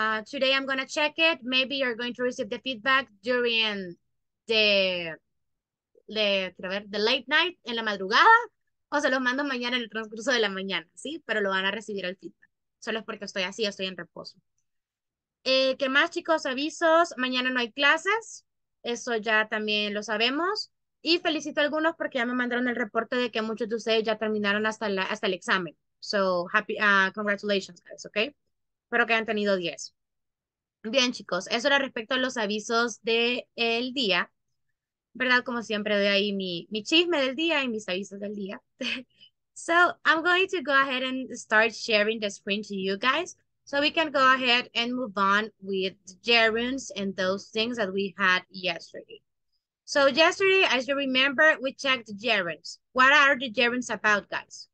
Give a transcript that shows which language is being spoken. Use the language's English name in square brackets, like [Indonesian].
[English] Today I'm going to check it. Maybe you're going to receive the feedback during the late night [Spanish] en la madrugada. O se los mando mañana en el transcurso de la mañana, ¿sí? Pero lo van a recibir el feedback. Solo es porque estoy así, estoy en reposo. ¿Qué más, chicos? Avisos. Mañana no hay clases. Eso ya también lo sabemos. Y felicito a algunos porque ya me mandaron el reporte de que muchos de ustedes ya terminaron hasta el examen. [English] So, happy congratulations, guys, [Spanish] ¿ok? Espero que hayan tenido 10. Bien, chicos. Eso era respecto a los avisos del día. ¿Verdad? Como siempre, doy ahí mi chisme del día y mis avisos del día. [English] So, I'm going to go ahead and start sharing the screen to you guys so we can go ahead and move on with gerunds and those things that we had yesterday. So, yesterday, as you remember, we checked gerunds. What are the gerunds about, guys?